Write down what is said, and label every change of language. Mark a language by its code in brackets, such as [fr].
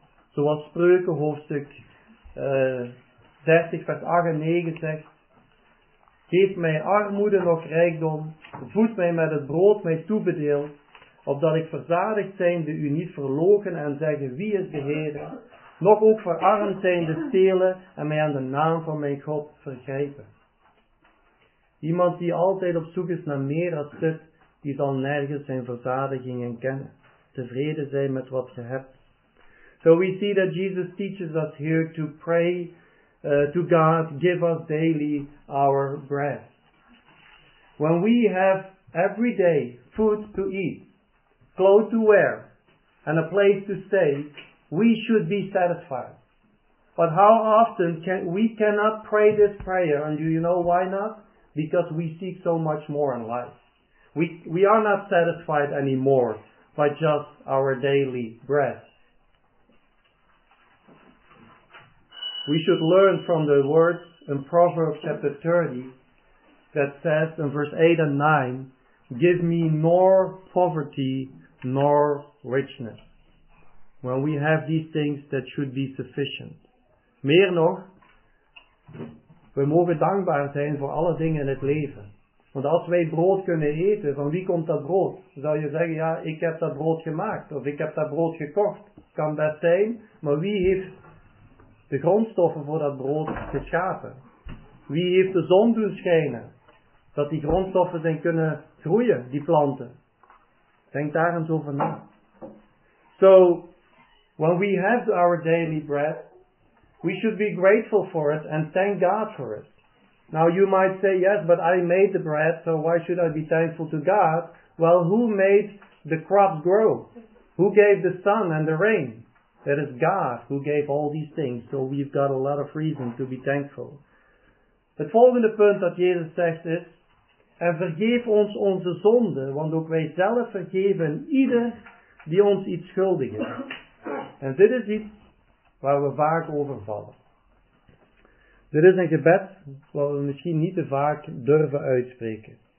[nl] Zoals Spreuken hoofdstuk 30 vers 8 en 9 zegt, geef mij armoede nog rijkdom, voed mij met het brood mij toebedeeld, opdat ik verzadigd zijnde u niet verloochen en zeggen wie is de Heer, nog ook verarmd zijnde stelen en mij aan de naam van mijn God vergrijpen. Iemand die altijd op zoek is naar meer als dit, die zal nergens zijn verzadigingen kennen, tevreden zijn met wat je hebt. [en] So we see that Jesus teaches us here to pray to God, give us daily our bread. When we have every day food to eat, clothes to wear, and a place to stay, we should be satisfied. But how often cannot pray this prayer, and do you know why not? Because we seek so much more in life. We are not satisfied anymore by just our daily bread. We should learn from the words in Proverbs chapter 30 that says in verse 8 and 9, give me nor poverty nor richness. When we have these things, that should be sufficient. [nl] Meer nog, we mogen dankbaar zijn voor alle dingen in het leven. Want als wij brood kunnen eten, van wie komt dat brood? Zou je zeggen, ja, ik heb dat brood gemaakt of ik heb dat brood gekocht. Kan best zijn, maar wie heeft de grondstoffen voor dat brood geschapen? Wie heeft de zon doen schijnen? Dat die grondstoffen zijn kunnen groeien, die planten. Denk daar eens over na. [en] So, when we have our daily bread, We should be grateful for it and thank God for it. Now you might say, yes, but I made the bread, so why should I be thankful to God? Well, who made the crops grow? Who gave the sun and the rain? That is God who gave all these things, so we've got a lot of reason to be thankful. [nl] Het volgende punt dat Jezus zegt is, en vergeef ons onze zonden, want ook wij zelf vergeven ieder die ons iets schuldig is. En dit is iets waar we vaak over vallen. Dit is een gebed wat we misschien niet te vaak durven uitspreken.